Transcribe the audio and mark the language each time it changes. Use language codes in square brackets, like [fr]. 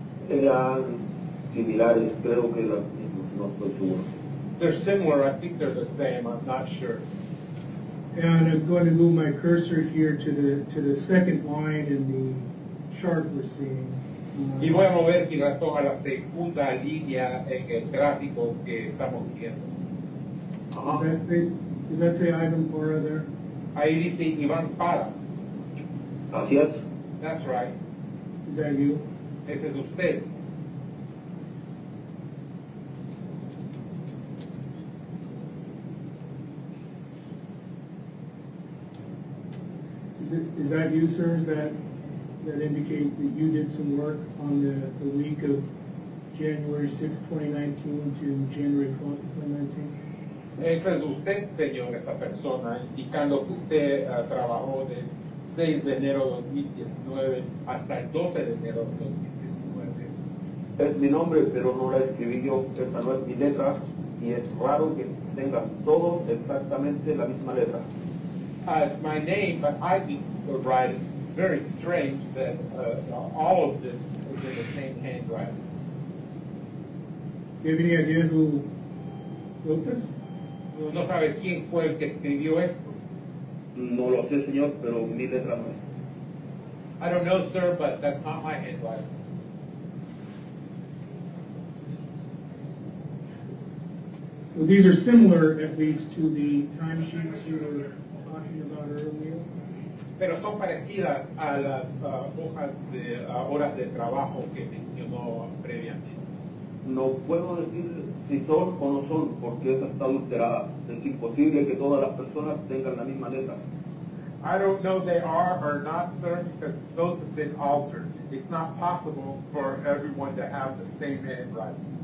[es] Eran similares, creo que las mismas, no estoy seguro. [en] They're similar, I think they're the same, I'm not sure. And I'm going to move my cursor here to the second line in the chart we're seeing. [es] Y voy a mover mi ratón a la segunda línea en el gráfico que estamos viendo. [en] Does that say Ivan Para there? [es] Ahí dice Iván Para. Así es. [en] That's right. Is that you? [es] Ese es usted. [en] Is that you, sir? That indicate that you did some work on the week of January 6, 2019 to January 12, 2019? [es] Ese es usted, señor, esa persona, indicando que usted trabajó de 6 de enero de 2019 hasta el 12 de enero de 2019. Es mi nombre, pero no la escribí yo. Esa no es mi letra y es raro que tenga todo exactamente la misma letra. [en] It's my name, but I didn't write it. Very strange that all of this is in the same handwriting. Do you have any idea who wrote this? [es] No sabe quién fue el que escribió esto. No lo sé, señor, pero mi letra no es. [en] I don't know, sir, but that's not my handwriting. Well, these are similar, at least, to the timesheets you were talking about earlier. [es] Pero son parecidas a las hojas de horas de trabajo que mencionó previamente. No puedo decir si son o no son, porque esa está alterada. Es imposible que todas las personas tengan la misma letra. [en] I don't know if they are or not, sir, because those have been altered. It's not possible for everyone to have the same handwriting.